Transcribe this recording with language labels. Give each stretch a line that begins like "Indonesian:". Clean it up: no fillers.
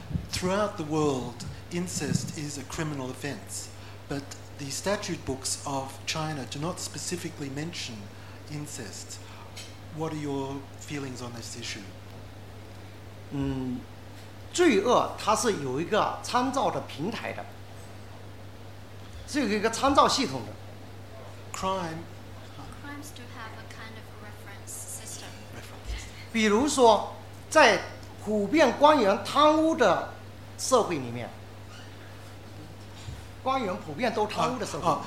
English: Throughout the world, incest is a criminal offense, but the statute books of China do not specifically mention incest. What are your feelings on this issue?
Chinese: 罪恶它是有一个参照的平台的，是有一个参照系统的。
English: Crimes do have a kind of reference system.
Chinese: 比如说，在普遍官员贪污的社会里面，官员普遍都贪污的社会。